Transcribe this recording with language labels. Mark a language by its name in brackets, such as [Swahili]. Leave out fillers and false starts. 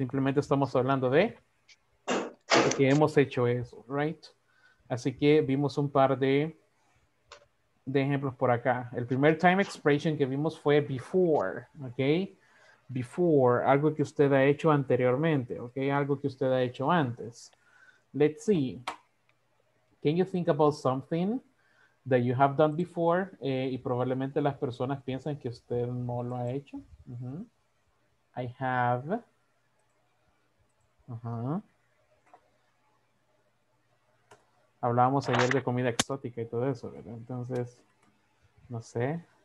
[Spanish] Simplemente estamos hablando de que hemos hecho eso, right? Así que vimos un par de ejemplos por acá. El primer time expression que vimos fue before, ¿ok? Before, algo que usted ha hecho anteriormente, ¿ok? Algo que usted ha hecho antes. [English] Let's see. Can you think about something that you have done before? [Spanish] Y probablemente las personas piensan que usted no lo ha hecho. Uh-huh. [English] I have. [Spanish] Hablábamos ayer de comida exótica y todo eso, ¿verdad? Entonces, no sé.